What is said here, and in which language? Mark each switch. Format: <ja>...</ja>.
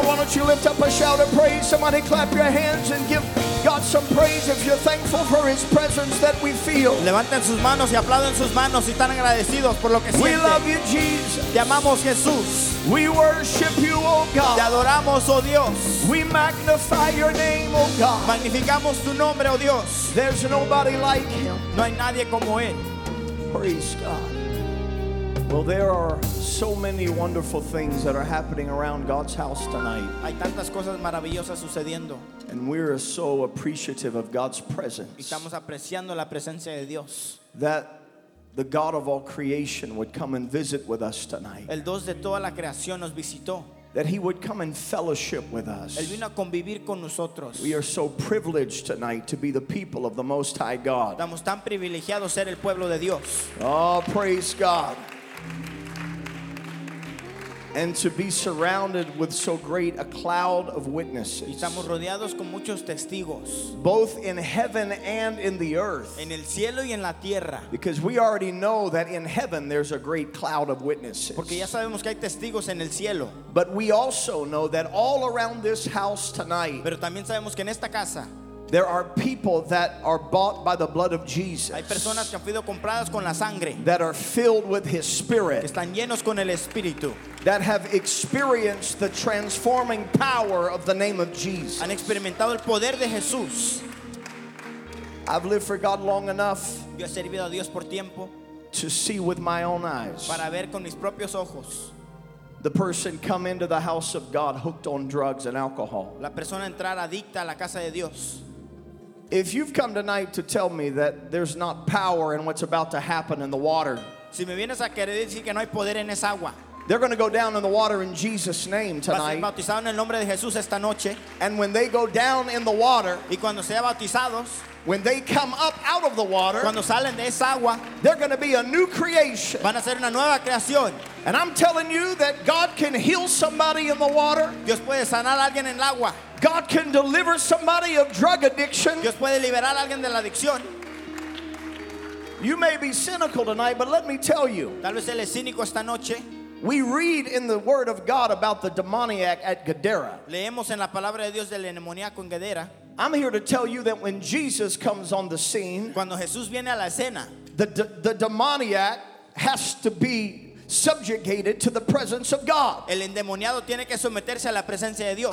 <en>You lift up a shout of praise. Somebody clap your hands and give God some praise if you're thankful for his presence that we feel.</en> <es>Levanten sus manos y aplauden sus manos si están agradecidos por lo que sienten.</es> <en>We love you, Jesus.</en> <es>Te amamos, Jesús.</es> <en>We worship you, oh God.</en> <es>Te adoramos, oh Dios.</es> <en>We magnify your name, oh God.</en> <es>Magnificamos tu nombre, oh Dios.</es> <en>There's nobody like him.</en> <es>No hay nadie como él.</es> <en>Praise God. Well, there are so many wonderful things that are happening around God's house tonight.</en> <es>Hay tantas cosas maravillosas sucediendo.</es> <en>And we are so appreciative of God's presence.</en> <es>Estamos apreciando la presencia de Dios.</es> <en>That the God of all creation would come and visit with us tonight.</en> <es>El Dios de toda la creación nos visitó.</es> <en>That he would come and fellowship with us.</en> <es>Él vino a convivir con nosotros.</es> <en>We are so privileged tonight to be the people of the Most High God.</en> <es>Estamos tan privilegiados ser el pueblo de Dios.</es> <en>Oh, praise God. And to be surrounded with so great a cloud of witnesses.</en> <es>Estamos rodeados con muchos testigos.</es> <en>Both in heaven and in the earth.</en> <es>En el cielo y en la tierra.</es> <en>Because we already know that in heaven there's a great cloud of witnesses.</en> <es>Porque ya sabemos que hay testigos en el cielo.</es> <en>But we also know that all around this house tonight.</en> <es>Pero también sabemos que en esta casa.</es> <en>There are people that are bought by the blood of Jesus.</en> <es>Hay personas que han sido compradas con la sangre.</es> <en>That are filled with his spirit.</en> <es>Que están llenos con el espíritu.</es> <en>That have experienced the transforming power of the name of Jesus.</en> <es>Han experimentado el poder de Jesús.</es> <en>I've lived for God long enough.</en> <es>Yo he servido a Dios por tiempo.</es> <en>To see with my own eyes.</en> <es>Para ver con mis propios ojos.</es> <en>The person come into the house of God hooked on drugs and alcohol.</en> <es>La persona entrar adicta a la casa de Dios.</es> <en>If you've come tonight to tell me that there's not power in what's about to happen in the water,</en> <es>si me vienes a querer decir que no hay poder en esa agua,</es> <en>They're going to go down in the water in Jesus' name tonight.</en> <es>Bautizado en el nombre de Jesús esta noche.</es> <en>And when they go down in the water,</en> <es>y cuando sean bautizados,</es> <en>when they come up out of the water,</en> <es>cuando salen de esa agua,</es> <en>they're going to be a new creation.</en> <es>Van a ser una nueva creación.</es> <en>And I'm telling you that God can heal somebody in the water.</en> <es>Dios puede sanar a alguien en el agua.</es> <en>God can deliver somebody of drug addiction.</en> <es>Dios puede liberar a alguien de la adicción.</es> <en>You may be cynical tonight, but let me tell you.</en> <es>Tal vez eres cínico esta noche.</es> <en>We read in the Word of God about the demoniac at Gadara.</en> <es>Leemos en la palabra de Dios del demoníaco en Gadara.</es> <en>I'm here to tell you that when Jesus comes on the scene,</en> <es>cuando Jesús viene a la escena,</es> <en>the demoniac has to be subjugated to the presence of God.</en> <es>El endemoniado tiene que someterse a la presencia de Dios.</es>